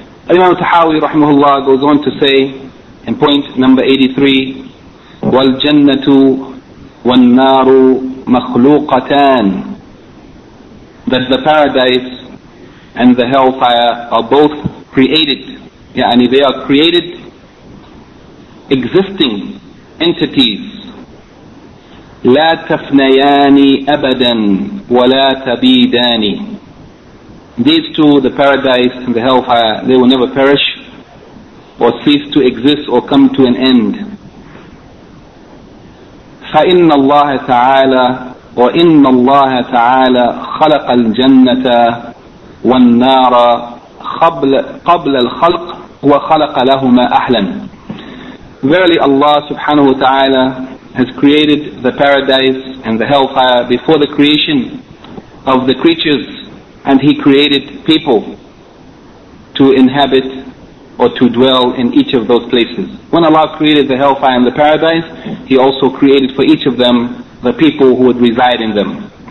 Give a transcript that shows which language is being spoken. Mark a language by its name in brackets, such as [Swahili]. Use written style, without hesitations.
[English] Imam al-Tahawi rahimahullah goes on to say in point number 83, [Arabic] وَالْجَنَّةُ وَالنَّارُ مَخْلُوقَتَانِ, [English] that the paradise and the hellfire are both created. Yani they are created existing entities. [Arabic] لا تفنيان أبدا ولا تبيدان. [English] These two, the paradise and the hellfire, they will never perish or cease to exist or come to an end. [Arabic] فإن الله تعالى وإن الله تعالى خلق الجنة والنار قبل الخلق وخلق لهما أهلا. [English] Verily Allah subhanahu wa ta'ala has created the paradise and the hellfire before the creation of the creatures, and He created people to inhabit or to dwell in each of those places. When Allah created the hellfire and the paradise, He also created for each of them the people who would reside in them.